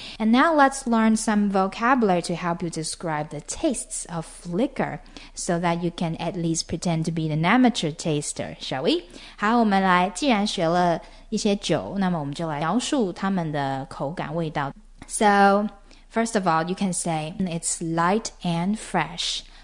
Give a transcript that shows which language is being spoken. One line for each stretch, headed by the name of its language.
English: And now let's learn some vocabulary to help you describe the tastes of liquor so that you can at least pretend to be an amateur taster, shall we?
Chinese: 好，我们来，既然学了一些酒，那么我们就来描述它们的口感味道。
English: So, first of all, you can say it's light and fresh.